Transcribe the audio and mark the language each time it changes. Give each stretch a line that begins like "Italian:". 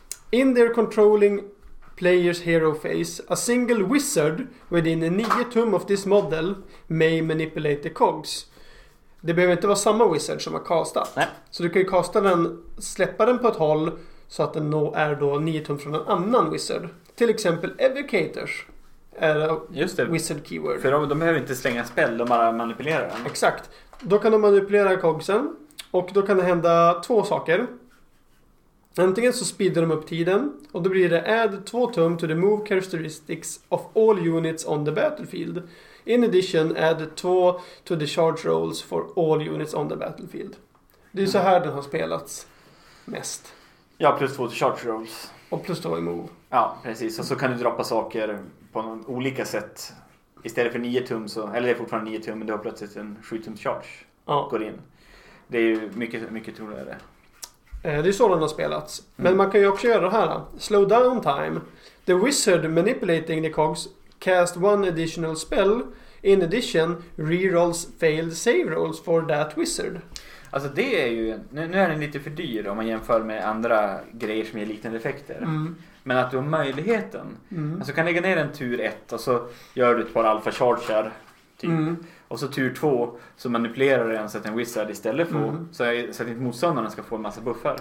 English: In their controlling player's hero phase. A single wizard within 9 tum of this model may manipulate the cogs.
Swedish: Det behöver inte vara samma wizard som har castat. Nej. Så du kan ju casta den, släppa den på ett håll så att den är då 9 tum från en annan wizard. Till exempel evocators är just det, wizard keyword. För de behöver inte slänga spel, de bara manipulerar den. Exakt. Då kan de manipulera cogsen och då kan det hända två saker. Antingen så speedar de upp tiden och då blir det
English: add 2 tum to the move characteristics of all units on the battlefield. In addition, add 2 to the charge rolls for all units on the battlefield.
Swedish: Det är så här den har spelats mest.
English: Ja, plus 2 to charge rolls.
Swedish: Och plus 2 i move. Ja, precis. Och så kan du droppa saker på någon olika sätt. Istället för 9 tum, så, eller det är fortfarande 9 tum, men du har plötsligt en 7 tum charge går in. Det är ju mycket, mycket troligare. Det är så den har spelats. Men man kan ju också göra det här.
English: Slow down time. The wizard manipulating the cogs cast one additional spell. In addition, rerolls failed save rolls for that wizard.
Swedish: Alltså det är ju... Nu är den lite för dyr om man jämför med andra grejer som ger liknande effekter. Mm. Men att du har möjligheten. Mm. Alltså du kan lägga ner en tur 1 och så gör du ett par alpha charger. Typ. Mm. Och så tur 2 så manipulerar du den så att en wizard istället får så att inte motståndarna ska få en massa buffar.